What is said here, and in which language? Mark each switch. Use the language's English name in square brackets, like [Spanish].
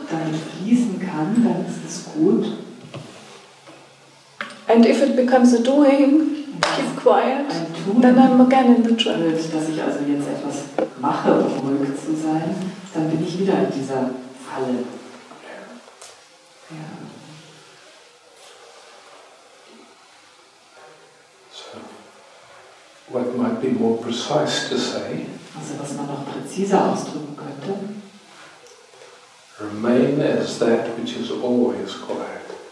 [German] Dann fließen kann, dann ist es gut. [English] And if it becomes a doing, keep quiet. Then I'm again in the trap. [German] Und dass ich also jetzt etwas mache, um ruhig zu sein, dann bin ich wieder in dieser Falle. [English] What might be more precise to say? [German] Also, was man noch präziser ausdrücken könnte. [English] Remain as that which is always quiet.